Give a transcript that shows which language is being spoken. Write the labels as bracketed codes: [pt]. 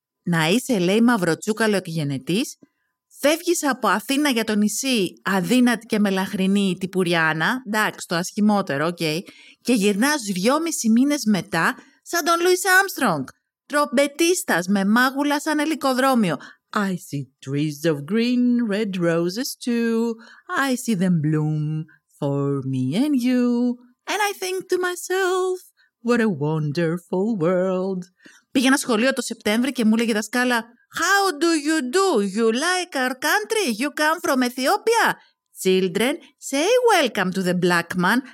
[el] Να είσαι, λέει, μαυροτσούκαλο εκγενετής. Φεύγεις από Αθήνα για το νησί, αδύνατη και μελαχρινή η τυπουριάνα. Εντάξει, το ασχημότερο, okay. Και γυρνάς 2,5 μήνες μετά, σαν τον Λουίς Άμστρονγκ. Τρομπετίστας με μάγουλα σαν ελικοδρόμιο. [en] I see trees of green, red roses too. I see them bloom for me and you. And I think to myself, what a wonderful world. [el] Πήγαινα σχολείο το Σεπτέμβρη και μου έλεγε η δασκάλα, [en] How do you do? You like our country? You come from Ethiopia? Children, say welcome to the black man.